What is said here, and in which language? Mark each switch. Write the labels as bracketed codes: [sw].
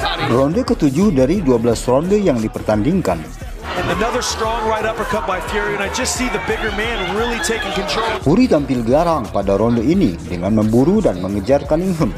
[id] Ronde ke-7 dari 12 ronde yang dipertandingkan. [en] Another strong right uppercut by Fury, and I just see the bigger man really taking control. [id] Fury tampil garang pada ronde ini dengan memburu dan mengejar Cunningham.